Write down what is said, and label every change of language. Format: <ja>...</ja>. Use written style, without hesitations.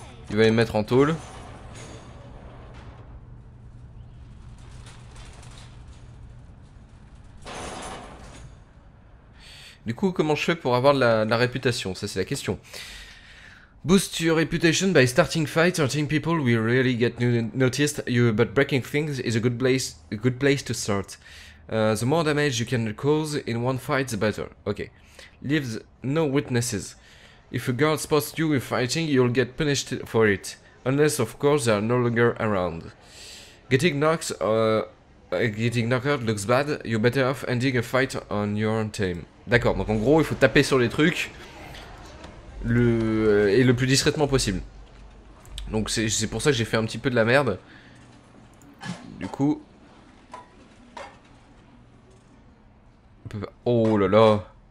<fr>Il va les mettre en tôle. Du coup, comment je fais pour avoir la réputation? Ça c'est la question.</fr> <en>Boost your reputation by starting fights or team people will really get noticed you, but breaking things is a good place to start. The more damage you can cause in one fight, the better. Okay. Leave no witnesses. If a guard spots you in fighting, you'll get punished for it. Unless, of course, they are no longer around. Getting knocked out looks bad, you're better off ending a fight on your own time.</en> <fr>D'accord, donc en gros, il faut taper sur les trucs. Et le plus discrètement possible. Donc c'est pour ça que j'ai fait un petit peu de la merde. Du coup. Oh là là!</fr>